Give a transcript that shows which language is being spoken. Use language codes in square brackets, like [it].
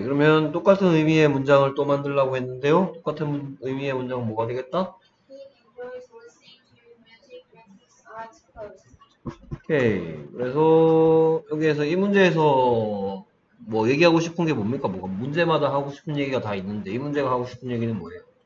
[ko] 그러면 똑같은 의미의 문장을 또 만들려고 했는데요. 똑같은 의미의 문장은 뭐가 되겠다? [en] He enjoys listening to music with his eyes closed. [ko] 그래서 여기에서 이 문제에서 뭐 얘기하고 싶은 게 뭡니까? 뭐가 문제마다 하고 싶은 얘기가 다 있는데 이 문제가 하고 싶은 얘기는 뭐예요?